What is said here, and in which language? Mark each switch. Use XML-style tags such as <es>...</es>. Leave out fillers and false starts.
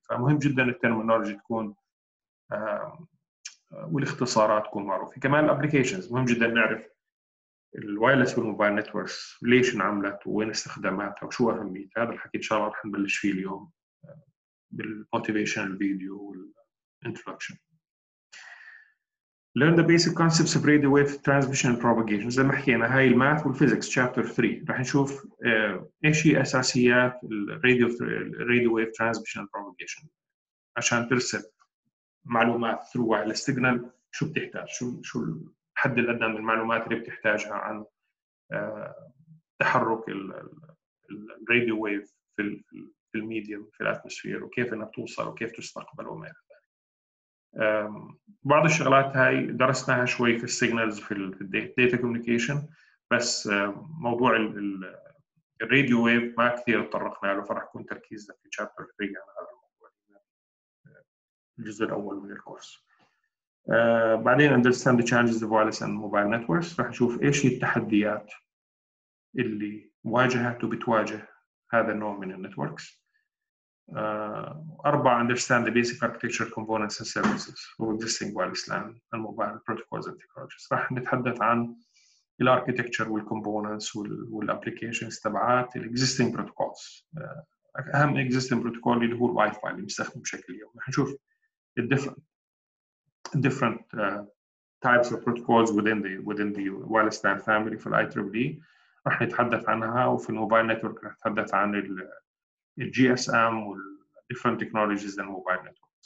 <ar>فمهم جدا الترمينولوجي تكون والاختصارات تكون معروفة. كمان الابليكيشنز مهم جدا نعرف الوايرلس والموبايل نتوركس ليش انعملت وين استخداماتها وشو اهميتها. هذا الحكي ان شاء الله رح نبلش فيه اليوم بالموتيفيشن الفيديو والانتروكشن.</ar> <en>learn the basic concepts of radio wave transmission and propagation.</en> <ar>زي ما حكينا هاي الماث والفيزيكس chapter 3، رح نشوف ايش هي اساسيات الراديو ويف ترانسميشن بروباجيشن عشان ترسل معلومات</ar> <en>through wireless signal.</en> <ar>شو بتحتاج، شو حد الأدنى من المعلومات اللي بتحتاجها عن تحرك الراديو ويف في الميديوم في الأتموسفير، وكيف إنها توصل وكيف تستقبل وما إلى ذلك. بعض الشغلات هاي درسناها شوي في السيجنالز في الداتا كوميونيكيشن، بس موضوع الراديو ويف ما كثير تطرقنا له، فرح يكون تركيزنا في تشابتر 3 على هذا الموضوع الجزء الأول من الكورس. بعدين</ar> <en>understand the challenges of wireless and mobile networks.</en> <ar>راح نشوف إيش هي التحديات اللي واجهت وبتواجه هذا النوع من networks. أربعة</ar> <en>understand the basic architecture components and services of existing wireless LAN and mobile protocols and technologies.</en> <ar>راح نتحدث عن</ar> <en>the architecture</en> <ar>والcomponents والapplications تبعات</ar> <en>the existing protocols</en> <ar>اهم اكزيستنج بروتوكول اللي هو الواي فاي اللي بنستخدمه بشكل يومي. حنشوف الديفرنت تايبس اوف بروتوكولز</ar> <en>within the wireless LAN family</en> <ar>في الاي تريبل اي راح نتحدث عنها, وفي الموبايل نتورك راح نتحدث عن الجي اس ام والديفرنت تكنولوجيز للموبايل نتورك.</ar>